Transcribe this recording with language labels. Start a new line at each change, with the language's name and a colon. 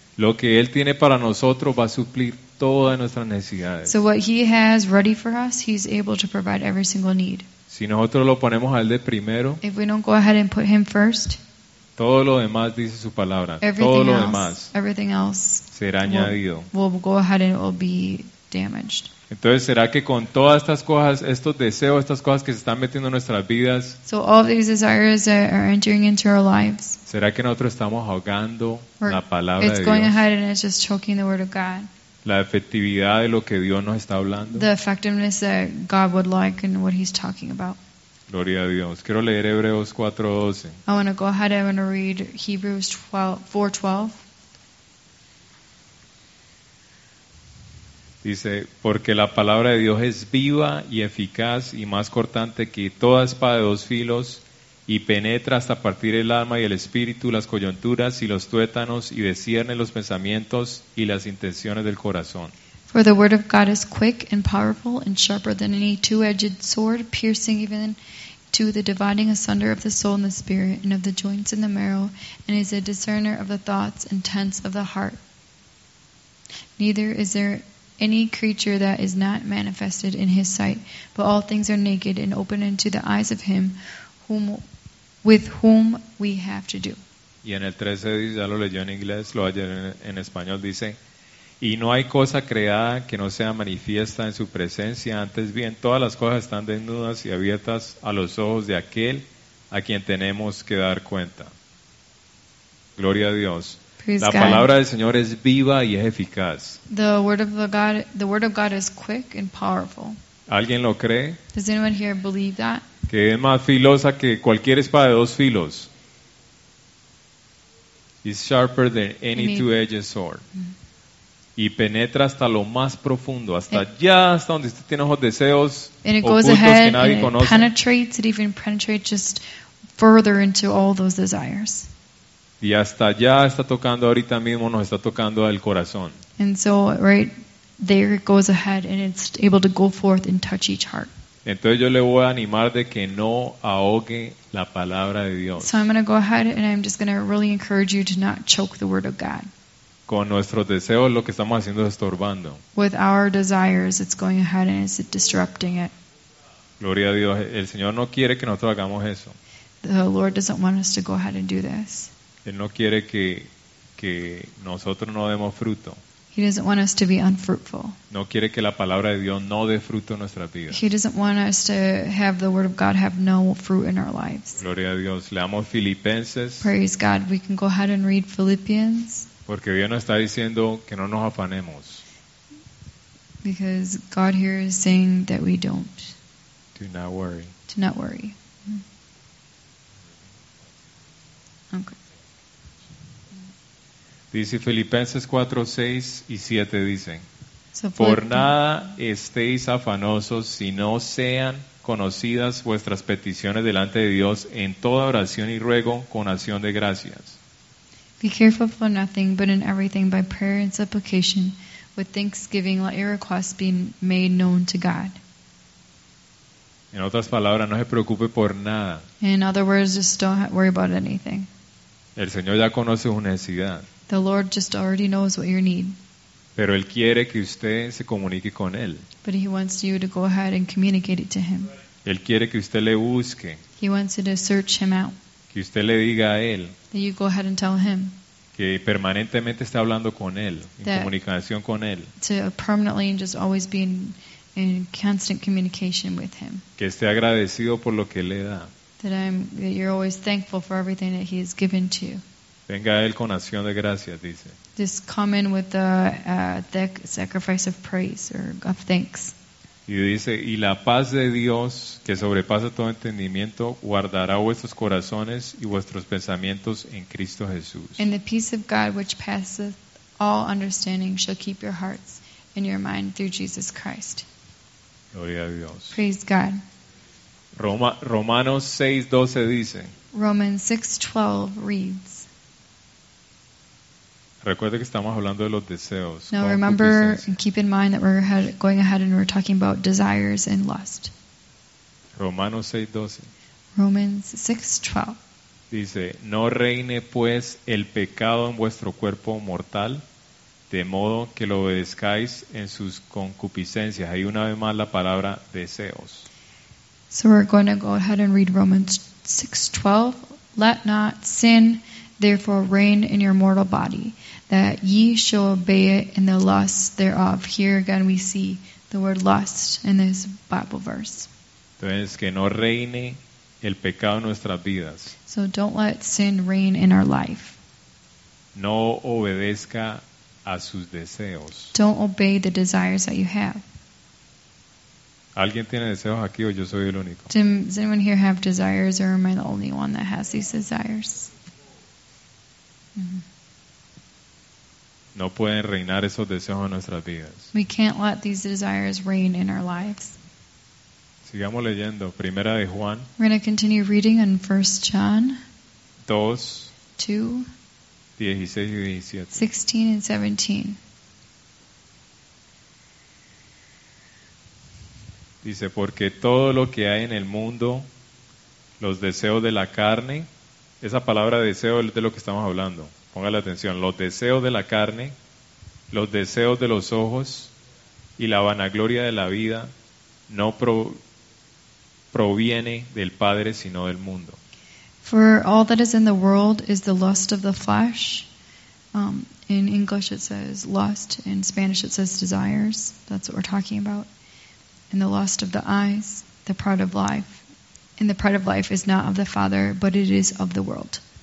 Spanish: Lo que Él tiene para nosotros va a suplir todas nuestras necesidades.
English: So what He has ready for us, He's able to provide every single need.
Spanish: Si nosotros lo ponemos a Él de primero,
English: if we don't go ahead and put Him first,
Spanish: todo lo demás dice su palabra.
English: Everything
Spanish: todo lo
English: else,
Spanish: demás
English: everything else
Spanish: será añadido.
English: We'll go ahead and it will be damaged.
Spanish: Entonces, ¿será que con todas estas cosas, estos deseos, estas cosas que se están metiendo en nuestras vidas,
English: so all these desires that are entering into our lives,
Spanish: será que nosotros estamos ahogando la palabra
English: it's
Spanish: de
English: going
Spanish: Dios?
English: Ahead and it's just choking the word of God.
Spanish: La efectividad de lo que Dios nos está hablando.
English: The effectiveness that God would like and what He's talking about.
Spanish: Gloria a Dios. Quiero leer Hebreos 4:12.
English: I want to go ahead and I want to read Hebrews 4:12.
Spanish: Dice, porque la palabra de Dios es viva y eficaz y más cortante que toda espada de dos filos y penetra hasta partir el alma y el espíritu, las coyunturas y los tuétanos y discierne los pensamientos y las intenciones del corazón.
English: For the word of God is quick and powerful and sharper than any two-edged sword, piercing even to the dividing asunder of the soul and the spirit and of the joints and the marrow, and is a discerner of the thoughts and intents of the heart. Neither is there any creature that is not manifested in His sight, but all things are naked and open unto the eyes of Him whom, with whom we have to do.
Spanish: Y en el 13, ya lo leyó en inglés, lo ayer en español, dice, y no hay cosa creada que no sea manifiesta en su presencia. Antes bien, todas las cosas están desnudas y abiertas a los ojos de aquel a quien tenemos que dar cuenta. Gloria a Dios.
English: Praise
Spanish: la
English: God.
Spanish: Palabra del Señor es viva y es eficaz.
English: The word of God is quick and powerful.
Spanish: ¿Alguien lo cree?
English: Does anyone here believe that?
Spanish: Que es más filosa que cualquier espada de dos filos.
English: It's sharper than any two-edged sword.
Spanish: Y penetra hasta lo más profundo, hasta ya hasta donde usted tiene los deseos ocultos que nadie conoce.
English: Penetrates, it even penetrates just further into all those desires.
Spanish: Y hasta ya está tocando ahorita mismo, nos está tocando el corazón.
English: And so right there it goes ahead and it's able to go forth and touch each heart.
Spanish: Entonces yo le voy a animar de que no ahogue la palabra de Dios.
English: So I'm going to go ahead and I'm just going to really encourage you to not choke the word of God.
Spanish: Con nuestros deseos lo que estamos haciendo es estorbando.
English: With our desires, it's going ahead and it's disrupting it.
Spanish: Gloria a Dios. El Señor no quiere que nosotros hagamos eso.
English: The Lord doesn't want us to go ahead and do this.
Spanish: Él no quiere que nosotros no demos fruto.
English: He doesn't want us to be unfruitful.
Spanish: No quiere que la palabra de Dios no dé fruto en nuestras vidas.
English: He doesn't want us to have the word of God have no fruit in our lives.
Spanish: Gloria a Dios. Leamos Filipenses.
English: Praise God. We can go ahead and read Philippians.
Spanish: Porque Dios nos está diciendo que no nos afanemos.
English: Because God here is saying that we don't. Do not worry. To not worry. Okay.
Spanish: Dice Filipenses 4, 6 y 7 dicen, por nada estéis afanosos si no sean conocidas vuestras peticiones delante de Dios en toda oración y ruego con acción de gracias.
English: Be careful for nothing, but in everything by prayer and supplication, with thanksgiving let your requests be made known to God.
Spanish: En otras palabras, no se preocupe por nada.
English: In other words, just don't worry about anything.
Spanish: El Señor ya conoce su necesidad.
English: The Lord just already knows what you need.
Spanish: Pero Él quiere que usted se comunique con Él.
English: But He wants you to go ahead and communicate it to Him.
Spanish: Él quiere que usted le busque.
English: He wants you to search Him out.
Spanish: Que usted le diga a Él.
English: That you go ahead and tell Him.
Spanish: Que permanentemente esté hablando con Él, en comunicación con Él.
English: To permanently and just always be in constant communication with Him.
Spanish: Que esté agradecido por lo que le da.
English: That you're always thankful for everything that He has given to you.
Spanish: Venga a Él con acción de gracias, dice.
English: Just come in with the sacrifice of praise or of thanks.
Spanish: Y dice, y la paz de Dios, que sobrepasa todo entendimiento, guardará vuestros corazones y vuestros pensamientos en Cristo Jesús.
English: And the peace of God which passeth all understanding shall keep your hearts and your mind through Jesus Christ.
Spanish: Gloria a Dios.
English: Praise God.
Spanish: Romanos 6:12 dice.
English: Romans 6:12 reads.
Spanish: Recuerde que estamos hablando de los deseos.
English: Now remember and keep in mind that we're going ahead and we're talking about desires and lust.
Spanish: Romanos 6:12.
English: Romans 6:12.
Spanish: Dice, no reine pues el pecado en vuestro cuerpo mortal, de modo que lo obedezcáis en sus concupiscencias. Ahí una vez más la palabra deseos.
English: So we're going to go ahead and read Romans 6:12. Let not sin therefore reign in your mortal body, that ye shall obey it in the lust thereof. Here again we see the word lust in this Bible verse.
Spanish: Entonces, que no reine el pecado en nuestras vidas.
English: So don't let sin reign in our life.
Spanish: No obedezca a sus deseos.
English: Don't obey the desires that you have.
Spanish: ¿Alguien tiene deseos aquí o yo soy el único?
English: Does anyone here have desires or am I the only one that has these desires?
Spanish: No pueden reinar esos deseos en nuestras vidas.
English: We can't let these desires reign in our lives.
Spanish: Sigamos leyendo. Primera de Juan.
English: We're going to continue reading in 1 John.
Spanish: 2.
English: 2.
Spanish: 16 y 17.
English: 16 and 17.
Spanish: Dice, porque todo lo que hay en el mundo, los deseos de la carne, esa palabra deseo es de lo que estamos hablando. Ponga la atención, los deseos de la carne, los deseos de los ojos y la vanagloria de la vida no proviene del Padre sino del mundo.
English: For all that is in the world is the lust of the flesh. In English it says lust, in Spanish it says desires. That's what we're talking about. And the lust of the eyes, the pride of life. And the pride of life is not of the Father, but it is of the world.